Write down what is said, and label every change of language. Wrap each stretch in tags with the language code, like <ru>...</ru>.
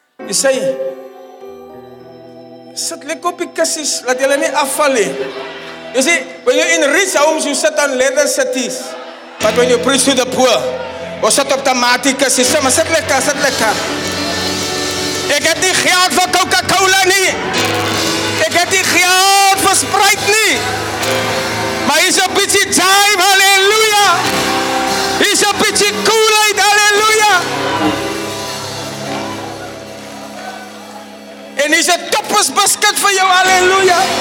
<af>Jy sê, sit lekker op die kussies, laat julle nie afval nie.</af> <en>You see, when you're in rich homes, you sit on leather settees. But when you preach to the poor, you sit</en> <af>op tamatie kussies. Sê, maar sit lekker. Ek het nie geld vir Coca-Cola nie. Ek het nie geld vir Sprite nie. Maar hier is een bietjie jive, halleluja. Hier is een bietjie coolheid, halleluja. En is het toppers basket voor jou, halleluja.</af>